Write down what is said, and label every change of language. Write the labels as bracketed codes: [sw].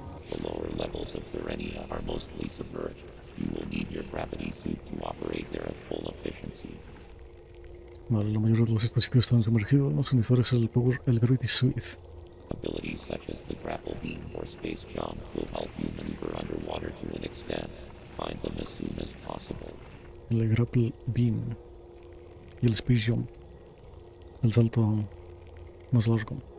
[en] The lower levels of Thurenia are mostly submerged. You will need your gravity suit to operate there at full efficiency. [es] Vale, la mayoría de los estos sitios están sumergidos. Los necesitarás el power, el gravity suit. [en] Abilities such as the grapple beam or space jump will help you maneuver underwater to an extent. Find them as soon as possible. [es] El grapple beam y el space jump, el salto más largo.